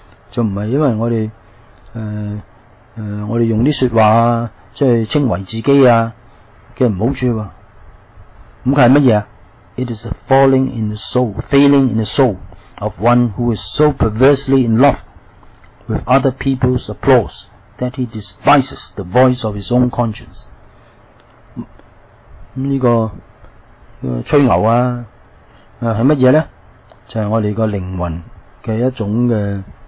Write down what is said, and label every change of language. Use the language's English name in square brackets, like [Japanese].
[Cantonese] 就唔係因為我哋我哋用啲說話啊，即係稱為自己啊嘅唔好處喎。咁係乜嘢 [English] ？It is a falling in the soul, failing in the soul of one who is so perversely in love with other people's applause that he despises the voice of his own conscience。 [Cantonese] 咁呢、這個吹牛啊，係乜嘢咧？就係、是、我哋個靈魂嘅一種嘅。